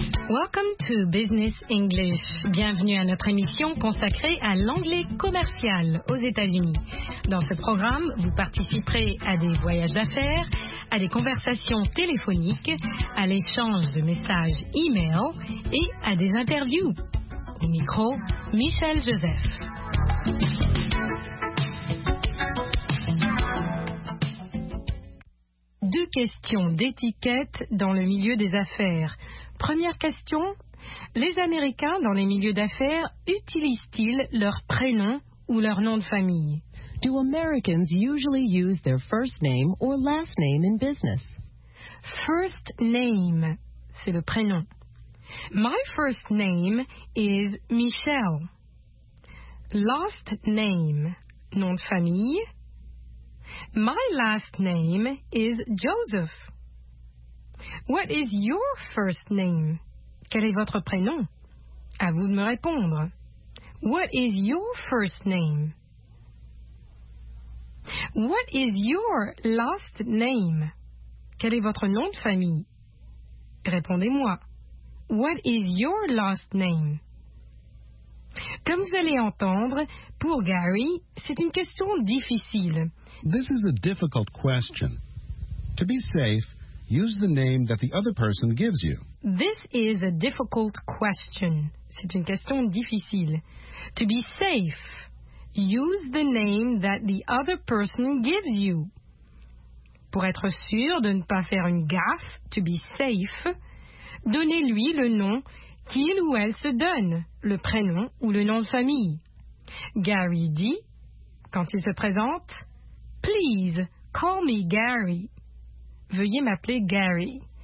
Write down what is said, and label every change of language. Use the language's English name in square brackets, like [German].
[English] Welcome to Business English. [French] Bienvenue à notre émission consacrée à l'anglais commercial aux États-Unis. Dans ce programme, vous participerez à des voyages d'affaires, à des conversations téléphoniques, à l'échange de messages e-mail et à des interviews. Au micro, Michel Joseph. Deux questions d'étiquette dans le milieu des affaires. Première question, les Américains dans les milieux d'affaires utilisent-ils leur prénom ou leur nom de famille? [English] Do Americans usually use their first name or last name in business? First name, [French] c'est le prénom. [English] My first name is Michel. [French] Last name, nom de famille. [English] My last name is Joseph. What is your first name? [French] Quel est votre prénom? À vous de me répondre. [English] What is your first name? What is your last name? [French] Quel est votre nom de famille? Répondez-moi. [English] What is your last name? [French] Comme vous allez entendre, pour Gary, c'est une question difficile. [English] This is a difficult question. To be safe, use the name that the other person gives you. This is a difficult question. [French] C'est une question difficile. [English] To be safe, use the name that the other person gives you. [French] Pour être sûr de ne pas faire une gaffe, [English] to be safe, [French] donnez-lui le nom qu'il ou elle se donne, le prénom ou le nom de famille. Gary dit, quand il se présente, « [English] Please, call me Gary. [French] » Veuillez m'appeler Gary.